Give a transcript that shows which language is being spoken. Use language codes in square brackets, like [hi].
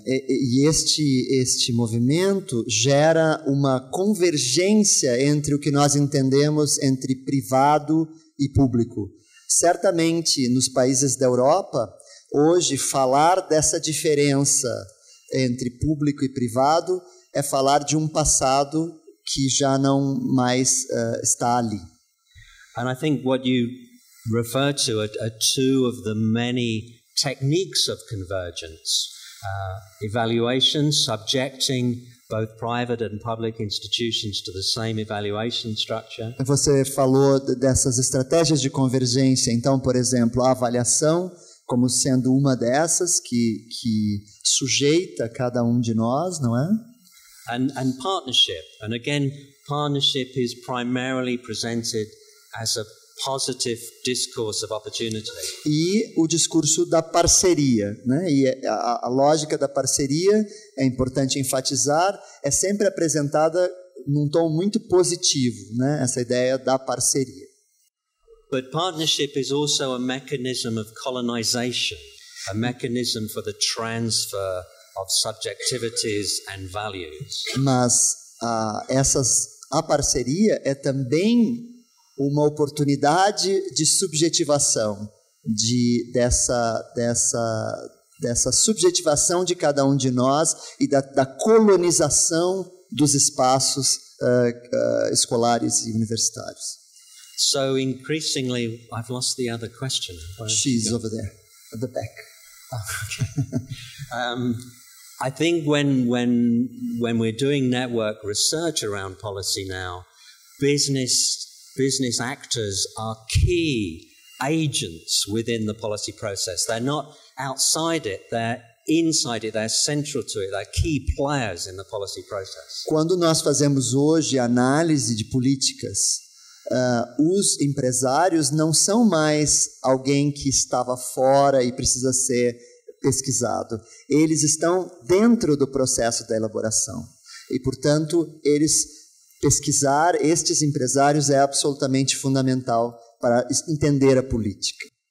[pt] Este movimento gera uma convergência entre o que nós entendemos entre privado e público. Certamente, nos países da Europa, hoje, falar dessa diferença entre público e privado é falar de um passado que já não mais está ali. [en] And I think what you refer to are two of the many techniques of convergence. Evaluation, subjecting both private and public institutions to the same evaluation structure. [pt] Você falou dessas estratégias de convergência. Então, por exemplo, a avaliação como sendo uma dessas que sujeita cada de nós, não é? [en] And partnership. And again, partnership is primarily presented as a positive discourse of opportunity. [pt] E o discurso da parceria, né? E a lógica da parceria, é importante enfatizar, é sempre apresentada num tom muito positivo, né? Essa ideia da parceria. [en] But partnership is also a mechanism of colonization, a mechanism for the transfer of subjectivities and values. [pt] Mas a parceria é também uma oportunidade de subjetivação, dessa subjetivação de cada de nós e da colonização dos espaços escolares e universitários. [en] So increasingly, I've lost the other question. She's over there, at the back. Oh, okay. I think when we're doing network research around policy now, business actors are key agents within the policy process. They're not outside it, they're inside it, they're central to it, they're key players in the policy process. [pt] Quando nós fazemos hoje análise de políticas, os empresários não são mais alguém que estava fora e precisa ser pesquisado. Eles estão dentro do processo da elaboração. E, portanto, eles pesquisar estes empresários é absolutamente fundamental para entender a política.